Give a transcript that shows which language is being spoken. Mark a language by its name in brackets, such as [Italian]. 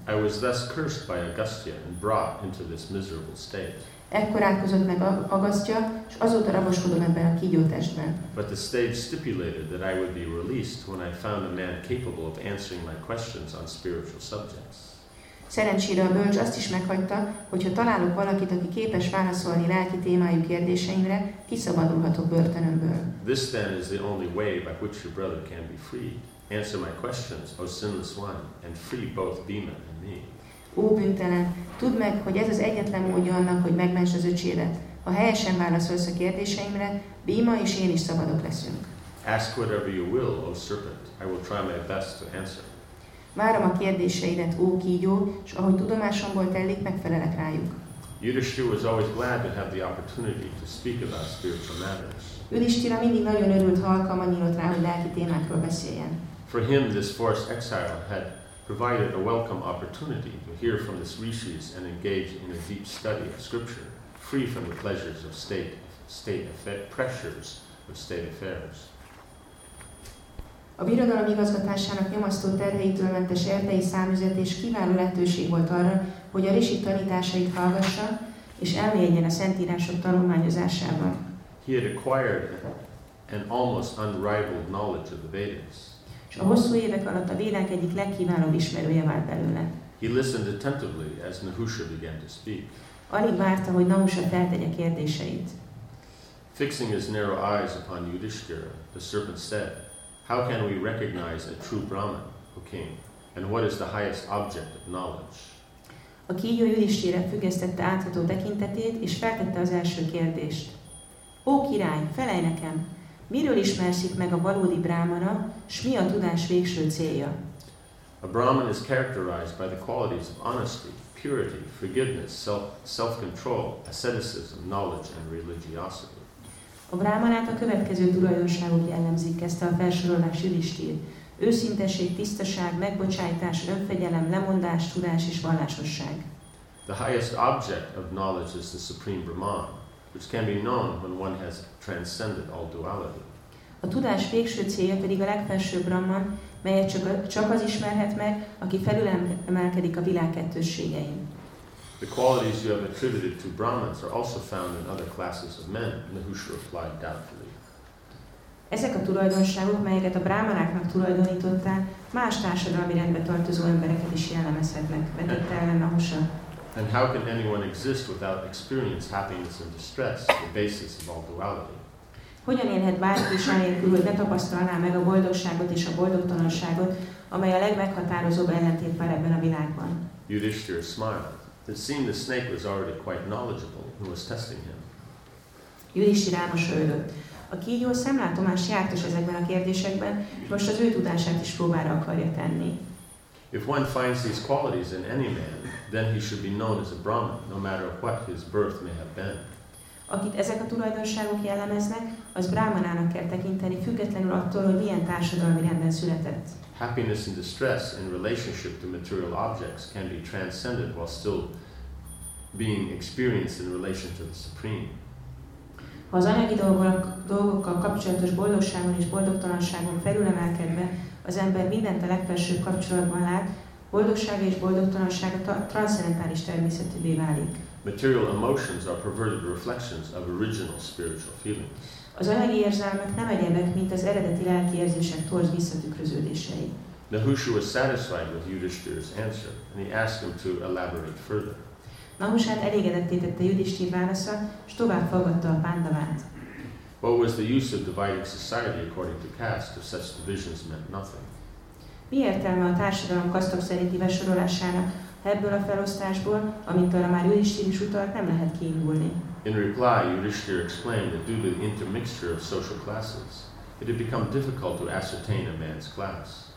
[English] I was thus cursed by Agastya and brought into this miserable state. [Hungarian] Ekkor átkozott meg Agastya, és azóta raboskodom ebben a kígyó testben. [English] But the stage stipulated that I would be released when I found a man capable of answering my questions on spiritual subjects. [Hungarian] Szerencsére a bölcs azt is meghagyta, hogyha találok valakit, aki képes válaszolni lelki témájú kérdéseimre, kiszabadulhatok börtönömből. [English] This then is the only way by which your brother can be freed. Answer my questions, O sinless one, and free both Bhima and me. [Hungarian] Ó, büntelen! Tudd meg, hogy ez az egyetlen módja annak, hogy megments az öcsédet. Ha helyesen válaszolsz a kérdéseimre, Bhima és én is szabadok leszünk. [English] Ask whatever you will, O serpent. I will try my best to answer. [Hungarian] Várom a kérdéseidet, ó kígyó, és ahogy tudomásomból telik, megfelelek rájuk. [English] Yudhishthira was always glad to have the opportunity to speak about spiritual matters. [Hungarian] Yudhishthira mindig nagyon örült, ha alkalma nyílt rá, hogy lelki témákról beszéljen. [English] For him, this forced exile had provided a welcome opportunity to hear from the rishis and engage in a deep study of scripture, free from the pleasures of state pressures of state affairs. [Hungarian] A birodalom igazgatásának nyomasztó terheitől mentes erdei számüzet és kiváló lehetőség volt arra, hogy a risi tanításait hallgassa és elmélyedjen a szentírások tanulmányozásában. [English] He had acquired an almost unrivaled knowledge of the Vedas. [Hungarian] És a hosszú évek alatt a Védák egyik legkiválóbb ismerője vált belőle. [English] He listened attentively as Nahusha began to speak. [Hungarian] Alig várta, hogy Nahusha feltegye kérdéseit. [English] Fixing his narrow eyes upon Yudhishthira, the serpent said, "How can we recognize a true Brahman, O King, and what is the highest object of knowledge?" [Hungarian] A kígyó Yudhishthira függesztette átható tekintetét, és feltette az első kérdést. Ó király, felelj nekem, miről ismerszik meg a valódi brámana, s mi a tudás végső célja? [English] A brahman is characterized by the qualities of honesty, purity, forgiveness, self-control, asceticism, knowledge and religiosity. [Hungarian] A brámanát a következő tulajdonságok jellemzik, kezdte a felsorolás Yudhishthira. Őszintesség, tisztaság, megbocsájtás, önfegyelem, lemondás, tudás és vallásosság. [English] The highest object of knowledge is the supreme Brahman, which can be known when one has transcended all duality. [Hungarian] A tudás végső célja pedig a legfelsőbb Brahman, melyet csak az ismerhet meg, aki felülemelkedik a világ kettősségein. [English] The qualities you have attributed to Brahmins are also found in other classes of men, Nahusha replied doubtfully. [Hungarian] Ezek a tulajdonságok, melyeket a brámanáknak tulajdonítottál, más társadalmi rendbe tartozó embereket is jellemezhetnek, vetette ellen Nahusha. [English] And how can anyone exist without experience happiness and distress, the basis of all duality? [Hungarian] Hogyan élhet bárki is anélkül, hogy betapasztalná meg a boldogságot és a boldogtalanságot, amely a legmeghatározóbb ellentét van ebben a világban? [English] Yudhishthira smiled. It seemed the snake was already quite knowledgeable and was testing him. [Hungarian] Yudhishthira mosolyodott. A kígyó szemlátomás jártas ezekben a kérdésekben, és most az ő tudását is próbára akarja tenni. [English] If one finds these qualities in any man, then he should be known as a Brahman, no matter what his birth may have been. [Hungarian] Akit ezek a tulajdonságok jellemeznek, az brámanának kell tekinteni, függetlenül attól, hogy milyen társadalmi rendben született. [English] Happiness and distress in relationship to material objects can be transcended while still being experienced in relation to the Supreme. [Hungarian] Ha az anyagi dolgokkal kapcsolatos boldogságon és boldogtalanságon felülemelkedve, az ember mindent a legfelsőbb kapcsolatban lát, boldogsága és boldogtalansága transzcendentális természetűvé válik. [English] Material emotions are perverted reflections of original spiritual feelings. [Hungarian] Az anyagi érzelmek nem egyebek, mint az eredeti lelki érzések torz visszatükröződései. [English] Nahusha was satisfied with Yudhishthira's answer, and he asked him to elaborate further. [Hungarian] Nahushát elégedetté tette Yudhishthira válasza, s tovább faggatta a Pándavát. [English] What was the use of dividing society according to caste if such divisions meant nothing? [Hungarian] Mi értelme a társadalom kasztok szerinti besorolásának, ha ebből a felosztásból, amint arra már Yudhishthira is utalt, nem lehet kiindulni? [English] In reply, Yudhishthira explained that due to the intermixture of social classes, it had become difficult to ascertain a man's class.